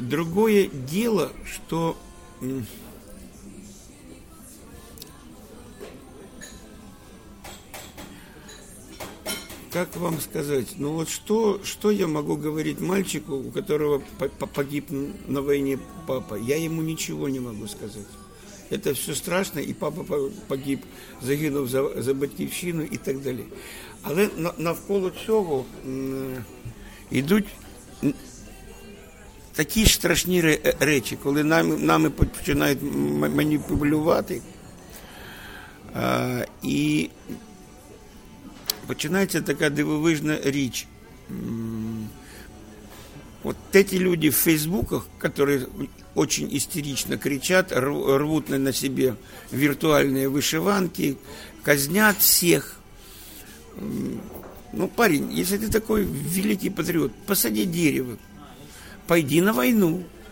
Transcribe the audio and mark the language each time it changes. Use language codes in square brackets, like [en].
[ru] Другое дело, что как вам сказать, ну вот что я могу говорить мальчику, у которого погиб на войне папа? Я ему ничего не могу сказать. Это все страшно, и папа погиб, [uk] загинув за батьківщину и так далі. Але навколо цього йдуть такі ж страшні речі, коли нами починають маніпулювати, і починається така дивовижна річ. От ті люди в Фейсбуках, які дуже істерично кричать, рвуть на себе віртуальні вишиванки, казнять всіх. [ru] Ну, парень, если ты такой великий патриот, посади дерево, пойди на войну.